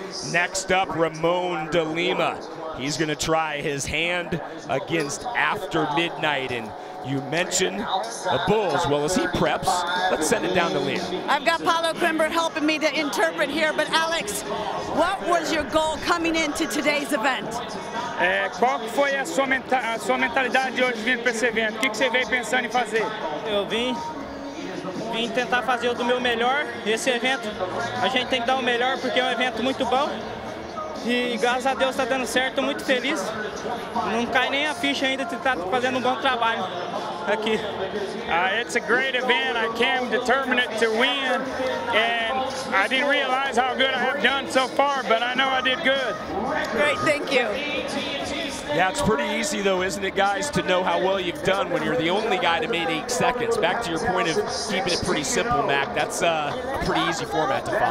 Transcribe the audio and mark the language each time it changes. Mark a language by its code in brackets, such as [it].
[en] Next up, Ramon De Lima. He's going to try his hand against After Midnight. And You mentioned the Bulls. Well, as he preps, let's send it down to Leah. I've got Paulo Krimber helping me to interpret here, but Alex, what was your goal coming into today's event? [pt] Qual foi a sua mentalidade hoje vindo para esse evento? O que você veio pensando em fazer? Eu vim tentar fazer o do meu melhor. Esse evento, a gente tem que dar o melhor porque é um evento muito bom. E graças a Deus está dando certo, muito feliz. Não cai nem a ficha ainda de estar fazendo um bom trabalho aqui. [en] It's a great event. I came determined to win, and I didn't realize how good I have done so far, but I know I did good. Great, thank you. Yeah, it's pretty easy though, isn't it, guys, to know how well you've done when you're the only guy to make 8 seconds. Back to your point of keeping it pretty simple, Mac, that's a pretty easy format to follow.